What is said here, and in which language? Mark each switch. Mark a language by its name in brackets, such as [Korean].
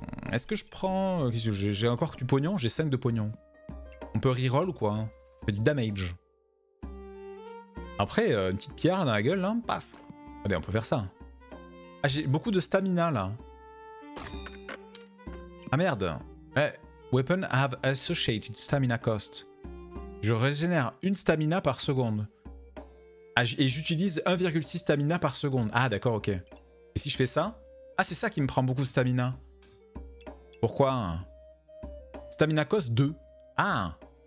[French] Est-ce que je prends... Qu'est-ce que j'ai encore du pognon? J'ai 5 de pognon. On peut reroll ou quoi? Ça fait du damage. Après, une petite pierre dans la gueule, hein, paf. Allez, on peut faire ça. Ah, j'ai beaucoup de stamina là. Ah merde. [English] Weapon have associated stamina cost. [French] Je régénère une stamina par seconde. Et j'utilise 1,6 stamina par seconde. Ah d'accord, ok. Et si je fais ça? Ah, c'est ça qui me prend beaucoup de stamina. Pourquoi? Stamina cost 2. Ah.